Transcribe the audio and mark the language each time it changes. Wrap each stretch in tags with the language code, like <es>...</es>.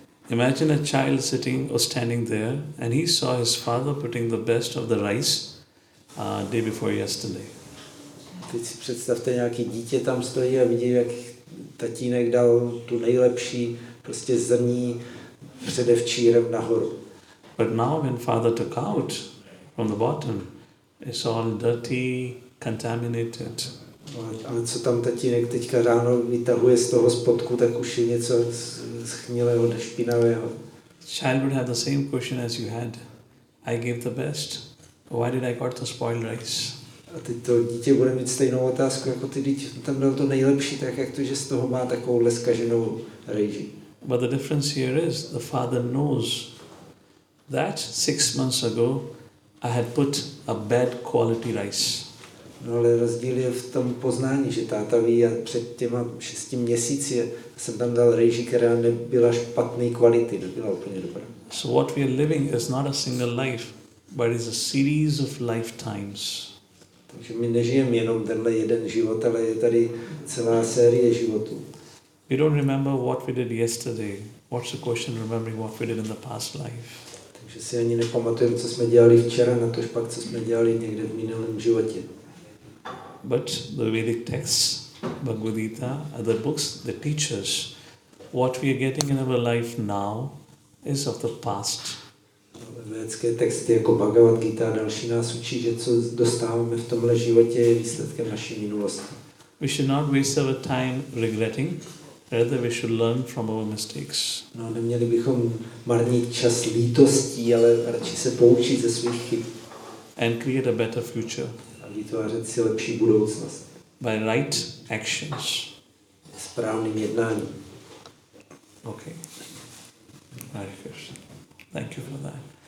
<en>Imagine a child sitting or standing there, and he saw his father putting the best of the rice day before yesterday.</en> <cs>Teď si představte, nějaké dítě tam stojí a vidí, jak tatínek dal tu nejlepší prostě zrní předevčírem nahoru.</cs> <en>But now when father took out from the bottom, it's all dirty, contaminated.</en> <cs>Ale co tam tatínek teďka ráno vytahuje z toho spodku, tak už je něco schnilého, špinavého.</cs> <en>Child would have the same question as you had. I gave the best. Why did I got the spoiled rice?</en> <cs>A teď to dítě bude mít stejnou otázku, jako ty dítě tam dal to nejlepší, tak jak to, že z toho má takovou leskaženou rejži.</cs> <en>But the difference here is, the father knows that 6 months ago I had put a bad quality rice.</en> <cs>No ale rozdíl je v tom poznání, že táta ví, a před těma 6 měsíci jsem tam dal rejži, která nebyla špatný kvality, nebyla úplně dobrá.</cs> <en>So what we are living is not a single life, but is a series of lifetimes.</en> <cs>Takže my nežijeme jenom tenhle jeden život, ale je tady celá série životů.</cs> <en>We don't remember what we did yesterday. What's the question remembering what we did in the past life?</en> <cs>Takže si ani nepamatujeme, co jsme dělali včera, natož pak, co jsme dělali někde v minulém životě.</cs> <en>But the Vedic texts, Bhagavad Gita, other books, they teach us what we are getting in our life now is of the past.</en> <cs>Vědecké texty jako Bhagavad Gita a další nás učí, že co dostáváme v tomhle životě je výsledkem naší minulosti.</cs> <en>We should not waste our time regretting, rather we should learn from our mistakes.</en> <cs>No, neměli bychom marnit čas lítostí, ale radši se poučit ze svých chyb.</cs> <en>And create a better future.</en> <cs>A vytvářet si lepší budoucnost.</cs> <en>By right actions.</en> <cs>Správným jednáním.</cs> <en>Okay. Hare Krishna. Thank you for that.</en>